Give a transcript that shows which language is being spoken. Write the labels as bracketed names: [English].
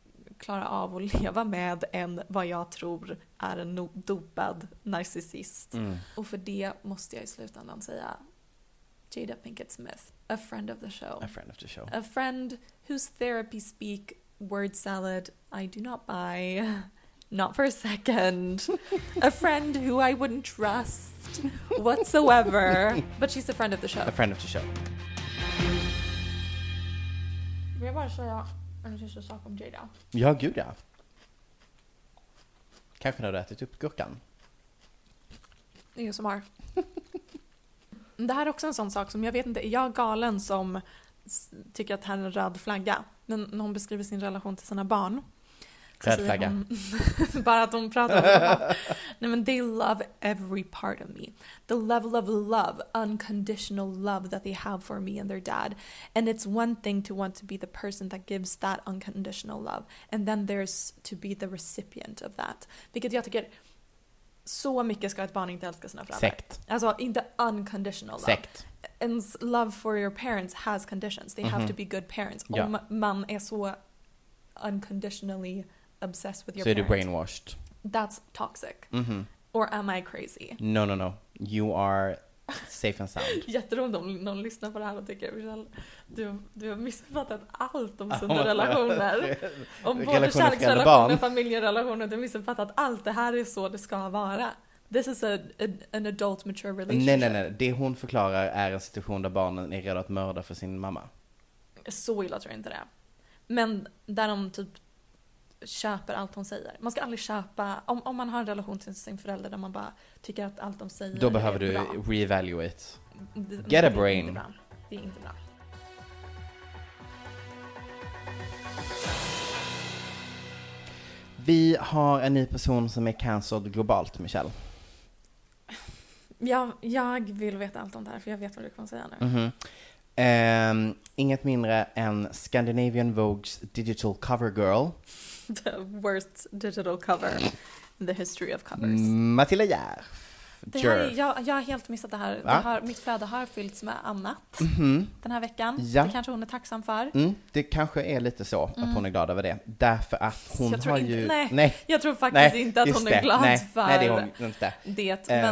[Swedish] Och klara av att leva med en, vad jag tror är en dopad narcissist. Mm. Och för det måste jag i slutändan säga Jada Pinkett Smith, [English] a friend of the show. A friend of the show. A friend whose therapy speak word salad I do not buy. not for a second. A friend who I wouldn't trust whatsoever. But she's a friend of the show. A friend of the show. [Swedish] Jag bara säga en sista sak om Jada. Ja, gud ja. Kanske när du ätit upp gurkan. Ingen som har. Det här är också en sån sak som jag vet inte. Jag är galen som tycker att han är en röd flagga. Men när hon beskriver sin relation till sina barn. Röd flagga. Bara att hon pratar om det. Nej, men [English] they love every part of me. The level of love, unconditional love that they have for me and their dad. And it's one thing to want to be the person that gives that unconditional love. And then there's to be the recipient of that. [Swedish] Vilket jag tycker, så mycket ska ett barn inte älska sina föräldrar. Sekt. Alltså inte [English] unconditional love. [Swedish] Sekt. [English] And love for your parents has conditions. They have to be good parents. [Swedish] Ja. Om man är så [English] unconditionally obsessed with your [Swedish] parents. Så är du brainwashed. [English] That's toxic. Mm-hmm. Or am I crazy? No, no, no. You are safe and sound. [Swedish] Jätteroligt om någon lyssnar på det här och tycker du har missuppfattat allt om sunda relationer. Om både kärleksrelationer, familjerelationer, du har missuppfattat allt. Det här är så det ska vara. [English] This is an adult mature relationship. [Swedish] Nej, nej, nej. Det hon förklarar är en situation där barnen är redo att mörda för sin mamma. Så illa tror jag inte det. Men där de typ köper allt hon säger. Man ska aldrig köpa, om man har en relation till sin förälder där man bara tycker att allt de säger då behöver du bra. [English] Reevaluate. Get a brain. [Swedish] Det är inte bra. Vi har en ny person som är cancelled globalt, Michelle. Jag vill veta allt om det här, för jag vet vad du kommer säga nu. Mm-hmm. Inget mindre än Scandinavian Vogue's [English] digital cover girl. The worst digital cover in the history of covers. [Swedish] Matilda Järf. Jag har helt missat det här. Mitt flöde har fyllts med annat den här veckan. Ja. Det kanske hon är tacksam för. Mm, det kanske är lite så att hon är glad över det. Därför att hon har inte, ju... Nej, jag tror faktiskt inte att hon är glad för nej, det. Hon inte. Det